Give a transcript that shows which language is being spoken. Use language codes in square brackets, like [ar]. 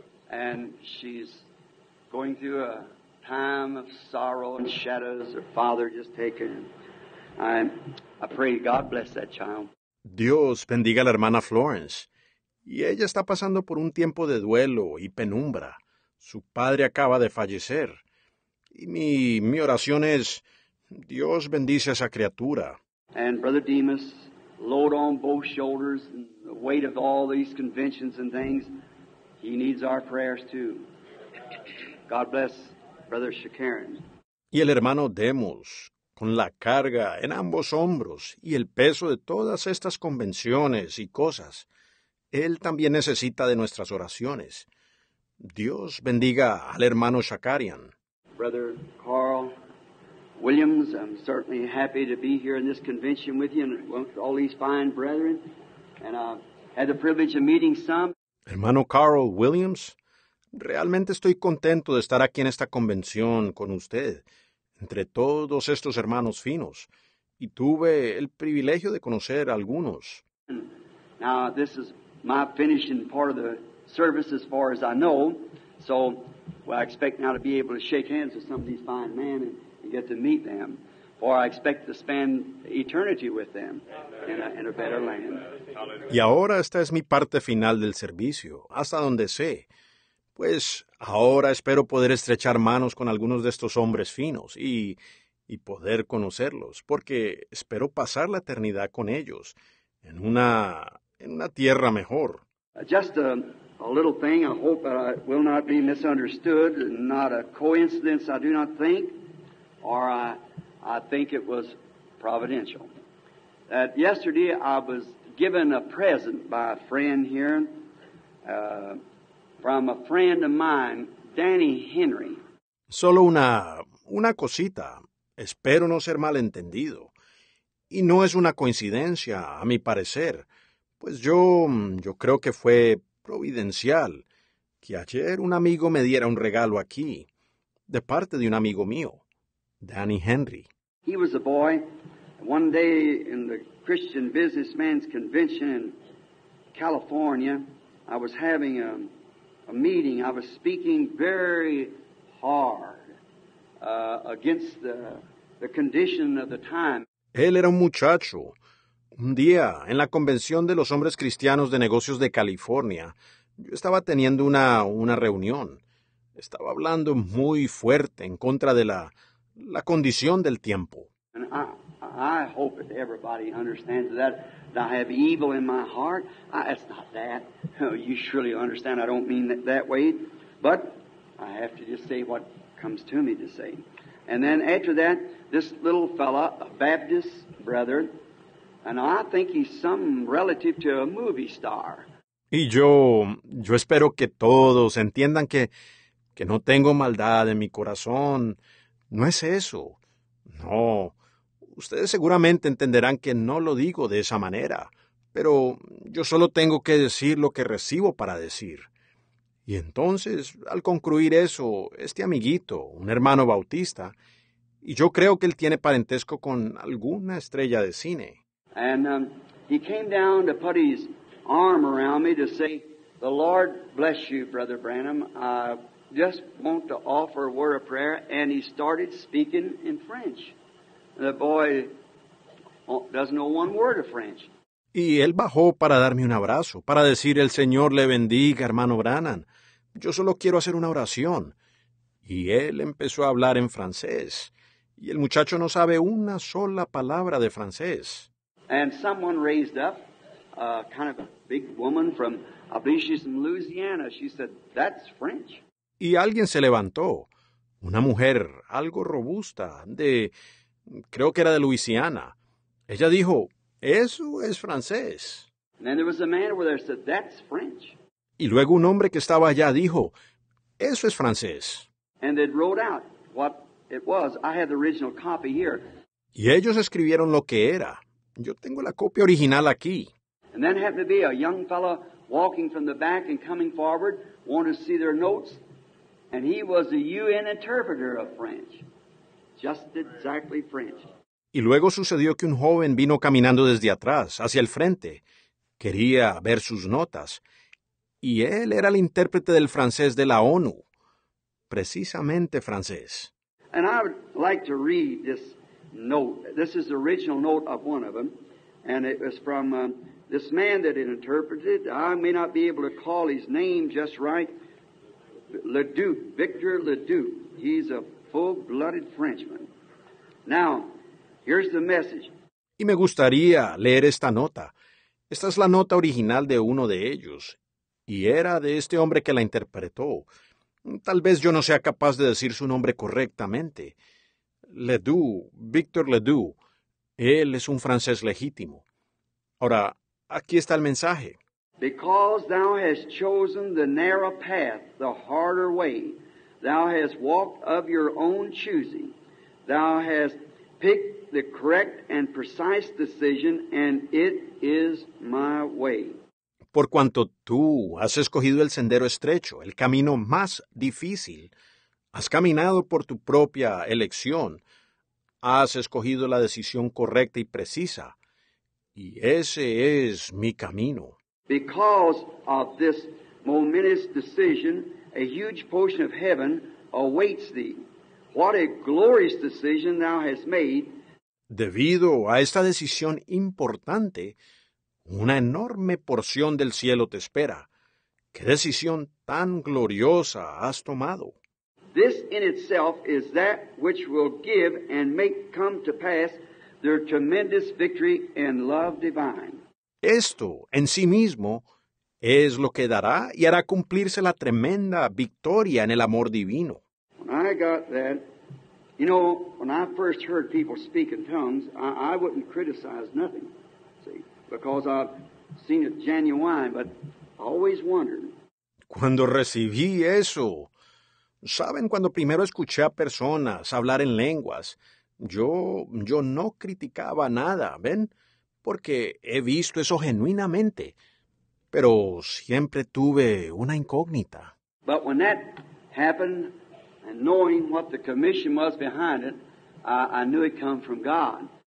[en] And she's going through a time of sorrow and shadows. Her father just taken. I pray God bless that child. [es] Dios bendiga a la hermana Florence, y ella está pasando por un tiempo de duelo y penumbra. Su padre acaba de fallecer, y mi oración es, Dios bendice a esa criatura. [en] And Brother Demas, load on both shoulders, and the weight of all these conventions and things, he needs our prayers too. God bless Brother Shakarin. [es] Y el hermano Demos, con la carga en ambos hombros y el peso de todas estas convenciones y cosas. Él también necesita de nuestras oraciones. Dios bendiga al hermano Shakarian. [en] Brother Carl Williams, I'm certainly happy to be here in this convention with you and with all these fine brethren, and I've had the privilege of meeting some. [es] Hermano Carl Williams, realmente estoy contento de estar aquí en esta convención con usted, entre todos estos hermanos finos, y tuve el privilegio de conocer a algunos. [en] Now, this is my finishing part of the service as far as I know, so well, I expect now to be able to shake hands with some of these fine men and get to meet them, for I expect to spend eternity with them in a better land. [es] Y ahora esta es mi parte final del servicio, hasta donde sé. Pues ahora espero poder estrechar manos con algunos de estos hombres finos y poder conocerlos, porque espero pasar la eternidad con ellos en una tierra mejor. [en] Just a little thing, I hope that I will not be misunderstood, not a coincidence, I do not think, or I think it was providential. That yesterday I was given a present by a friend here, from a friend of mine, Danny Henry. [es] Solo una cosita. Espero no ser malentendido. Y no es una coincidencia, a mi parecer. Pues yo creo que fue providencial que ayer un amigo me diera un regalo aquí, de parte de un amigo mío, Danny Henry. [en] He was a boy, one day in the Christian Businessman's Convention in California, I was having a meeting. I was speaking very hard against the condition of the time. [es] Él era un muchacho. Un día, en la Convención de los Hombres Cristianos de Negocios de California, yo estaba teniendo una reunión. Estaba hablando muy fuerte en contra de la condición del tiempo. [en] I hope that everybody understands that I have evil in my heart. It's not that. You surely understand. I don't mean it that way. But I have to just say what comes to me to say. And then after that, this little fella, a Baptist brother, and I think he's some relative to a movie star. [es] Y yo espero que todos entiendan que no tengo maldad en mi corazón. No es eso. No. Ustedes seguramente entenderán que no lo digo de esa manera, pero yo solo tengo que decir lo que recibo para decir. Y entonces, al concluir eso, este amiguito, un hermano bautista, y yo creo que él tiene parentesco con alguna estrella de cine. [en] And he came down to put his arm around me to say, "The Lord bless you, Brother Branham. I just want to offer a word of prayer." And he started speaking in French. The boy doesn't know one word of French. [es] Y él bajó para darme un abrazo, para decir, "El Señor le bendiga, hermano Branham. Yo solo quiero hacer una oración." Y él empezó a hablar en francés. Y el muchacho no sabe una sola palabra de francés. [en] And someone raised up, kind of a big woman from, I believe she's from Louisiana. She said, "That's French." [es] Y alguien se levantó, una mujer algo robusta de... Creo que era de Luisiana. Ella dijo, "Eso es francés." [en] And then there was a man over there said, "That's French." [es] Y luego un hombre que estaba allá dijo, "Eso es francés." [en] And they wrote out what it was. I had the original copy here. [es] Y ellos escribieron lo que era. Yo tengo la copia original aquí. [en] And then happened to be a young fellow walking from the back and coming forward, wanted to see their notes, and he was a UN interpreter of French. Just exactly French. [es] Y luego sucedió que un joven vino caminando desde atrás, hacia el frente. Quería ver sus notas. Y él era el intérprete del francés de la ONU. Precisamente francés. [en] And I would like to read this note. This is the original note of one of them. And it was from this man that it interpreted. I may not be able to call his name just right. Leduc, Victor Leduc. He's a full-blooded Frenchman. Now, here's the message. [es] Y me gustaría leer esta nota. Esta es la nota original de uno de ellos. Y era de este hombre que la interpretó. Tal vez yo no sea capaz de decir su nombre correctamente. Leduc, Victor Leduc. Él es un francés legítimo. Ahora, aquí está el mensaje. [en] Because thou hast chosen the narrow path, the harder way. Thou hast walked of your own choosing. Thou hast picked the correct and precise decision, and it is my way. [es] Por cuanto tú has escogido el sendero estrecho, el camino más difícil, has caminado por tu propia elección, has escogido la decisión correcta y precisa, y ese es mi camino. [en] Because of this momentous decision, a huge portion of heaven awaits thee. What a glorious decision thou hast made. [es] Debido a esta decisión importante, una enorme porción del cielo te espera. ¿Qué decisión tan gloriosa has tomado? [en] This in itself is that which will give and make come to pass their tremendous victory in love divine. [es] Esto, en sí mismo, es lo que dará y hará cumplirse la tremenda victoria en el amor divino. [en] When I got that, you know, when I first heard people speak in tongues, I wouldn't criticize nothing, see, because I've seen it genuine, but I always wondered. [es] Cuando recibí eso, ¿saben? Cuando primero escuché a personas hablar en lenguas, yo no criticaba nada, ¿ven? Porque he visto eso genuinamente, pero siempre tuve una incógnita. [en] But when that happened, and knowing what the commission was behind it, I knew it come from God.